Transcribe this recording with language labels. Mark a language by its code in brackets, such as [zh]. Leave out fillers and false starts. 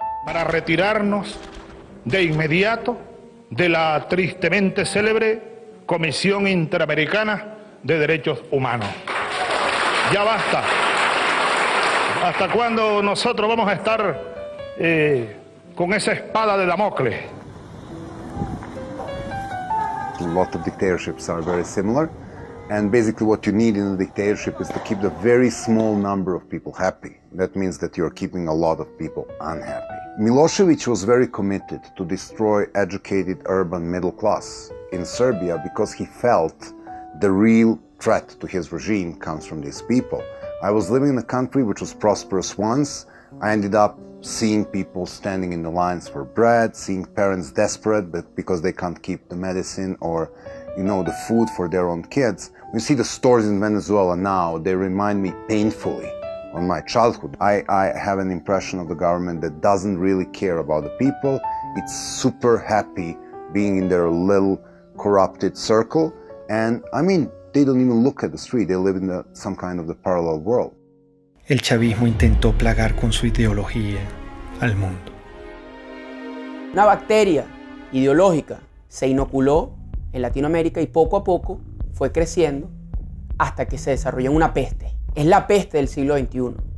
[es] para retirarnos de inmediato de la tristemente célebre Comisión Interamericana de Derechos Humanos. Ya basta. ¿Hasta cuándo nosotros vamos a estar con esa espada de Damocles? [en] A lot of dictatorships are very similar, and basically what you need in a dictatorship is to keep the very small number of people happy. That means that you are keeping a lot of people unhappy. Milosevic was very committed to destroy educated urban middle class in Serbia because he felt the real threat to his regime comes from these people. I was living in a country which was prosperous once. I ended up seeing people standing in the lines for bread, seeing parents desperate but because they can't keep the medicine or, you know, the food for their own kids. You see the stores in Venezuela now, they remind me painfully of my childhood. I have an impression of the government that doesn't really care about the people. It's super happy being in their little corrupted circle. And I mean, they don't even look at the street. They live in some kind of the parallel world. [es] El chavismo intentó plagar con su ideología al mundo. Una bacteria ideológica se inoculó en Latinoamérica y poco a poco fue creciendo hasta que se desarrolló una peste. Es la peste del siglo XXI.